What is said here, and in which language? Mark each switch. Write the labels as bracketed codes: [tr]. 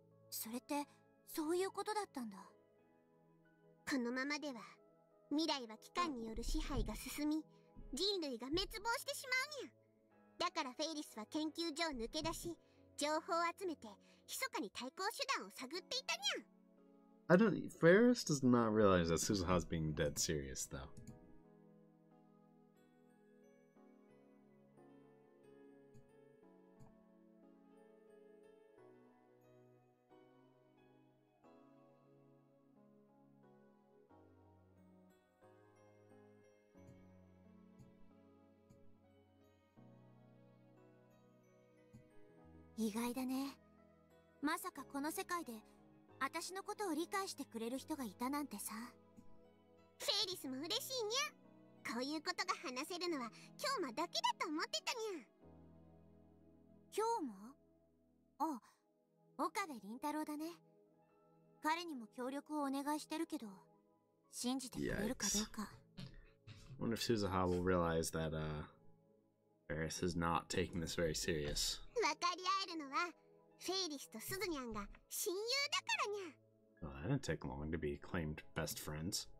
[ja] それってそういうことだったんだ。このままでは未来は機関による支配が進み、人類が滅亡してしまうにゃ。だからフェイリスは研究所を抜け出し、情報を集めて密かに対抗手段を探っていたにゃ。 [en] I don't know. Ferris does not realize that Suzuha is being dead serious though. [ja] 意外だね。まさかこの世界で私のことを理解してくれる人がいたなんてさ。フェイリスも嬉しいにゃ。こういうことが話せるのは今日もだけだと思ってたにゃ。今日も？あ、岡部凛太郎だね。彼にも協力をお願いしてるけど、信じてくれるかどうか。 [en] I wonder if Suzuha will realize that, Ferris is not taking this very serious. [ja] 分かり合えるのはフェイリスとスズニャンが親友だからにゃ。 [en] Well, that didn't take long to be claimed best friends.